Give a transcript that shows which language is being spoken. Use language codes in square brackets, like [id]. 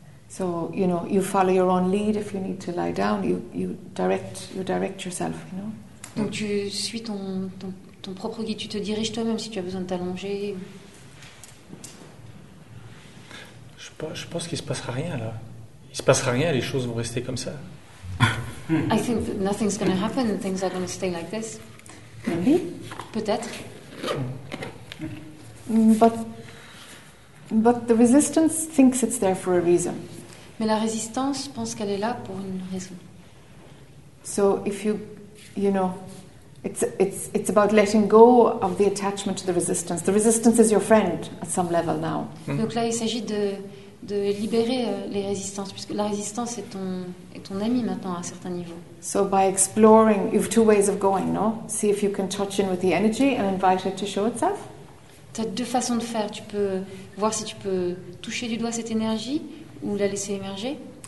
[en] So, you know, you follow your own lead. If you need to lie down, you direct yourself, you know. [fr] Donc tu suis ton propre guide, tu te diriges toi-même si tu as besoin de t'allonger. Je pense qu'il ne se passera rien, là. Il ne se passera rien, les choses vont rester comme ça. [en] I think that nothing's going to happen, things are going to stay like this. Maybe. [fr] Peut-être. [en] But the resistance thinks it's there for a reason. [fr] Mais la résistance pense qu'elle est là pour une raison. [en] So if you know, it's about letting go of the attachment to the resistance. The resistance is your friend at some level now. [fr] Donc là, il s'agit de de libérer les résistances, puisque la résistance est ton ami maintenant à certains niveaux. [en] So by exploring, you have two ways of going, no? See if you can touch in with the energy and invite it to show itself. [fr] Tu as deux façons de faire. Tu peux voir si tu peux toucher du doigt cette énergie ou la laisser émerger.